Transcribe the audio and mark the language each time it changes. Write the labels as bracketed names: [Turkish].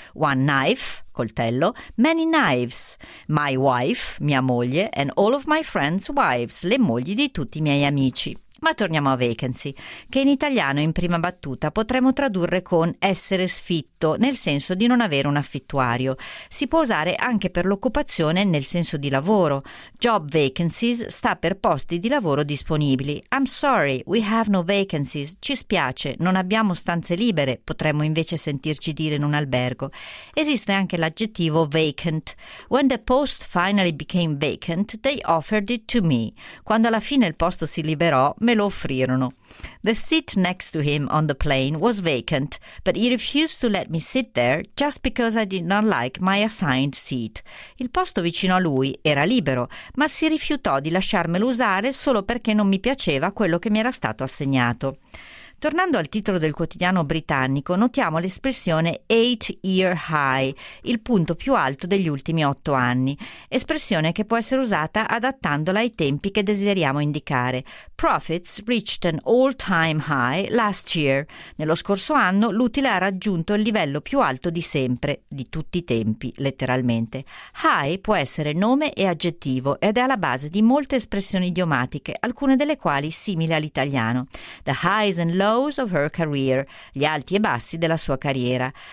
[English] One knife, [Italian] coltello, [English] many knives, my wife, [Italian] mia moglie, [English] and all of my friends' wives, [Italian] le mogli di tutti i miei amici. Ma torniamo a vacancy, che in italiano in prima battuta potremmo tradurre con essere sfitto, nel senso di non avere un affittuario. Si può usare anche per l'occupazione nel senso di lavoro. Job vacancies sta per posti di lavoro disponibili. [English] I'm sorry, we have no vacancies. [Italian] Ci spiace, non abbiamo stanze libere, potremmo invece sentirci dire in un albergo. Esiste anche l'aggettivo vacant. [English] When the post finally became vacant, they offered it to me. [Italian] Quando alla fine il posto si liberò, me lo offrirono. [English] The seat next to him on the plane was vacant, but he refused to let me sit there just because I did not like my assigned seat. [Italian] Il posto vicino a lui era libero, ma si rifiutò di lasciarmelo usare solo perché non mi piaceva quello che mi era stato assegnato. Tornando al titolo del quotidiano britannico, notiamo l'espressione 8-year high, il punto più alto degli ultimi 8 anni, espressione che può essere usata adattandola ai tempi che desideriamo indicare. [English] Profits reached an all-time high last year. [Italian] Nello scorso anno l'utile ha raggiunto il livello più alto di sempre, di tutti i tempi, letteralmente. High può essere nome e aggettivo ed è alla base di molte espressioni idiomatiche, alcune delle quali simili all'italiano. [English] The highs and lows of her career, [Italian] gli alti e bassi della sua carriera.